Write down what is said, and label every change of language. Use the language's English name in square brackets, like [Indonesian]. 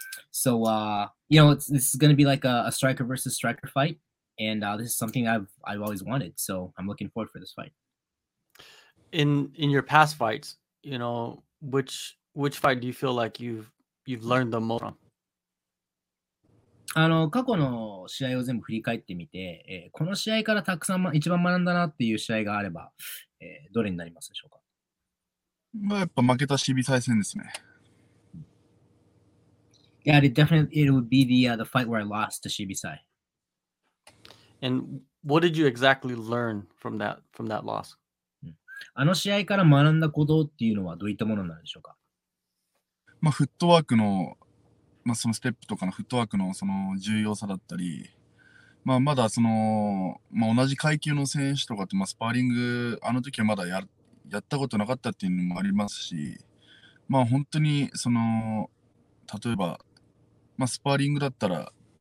[English] So, this is going to be like a striker versus striker fight, and this is something I've always wanted, so I'm looking forward for this fight. In your past fights, you know, which fight do you feel like you've learned the most from? [Japanese] 過去の試合を全部振り返ってみて、この試合からたくさん、一番学んだなっていう試合があれば、どれになりますでしょうか。まあ、やっぱ負けたシビサイ戦ですね。 [English] Yeah, it would be the fight where I lost to シビサイ。 And what did you exactly learn from that loss? [Japanese] あの試合から学んだことっていうのはどういったものなんでしょうか。まあ、フットワークのまあ、そのステップとかのフットワークのその重要さだったり、まあ、まだその、まあ、同じ階級の選手とかって、まあ、スパーリングあの時はまだやったことなかったっていうのもありますし、まあ、本当にその例えば、まあ、スパーリングだったら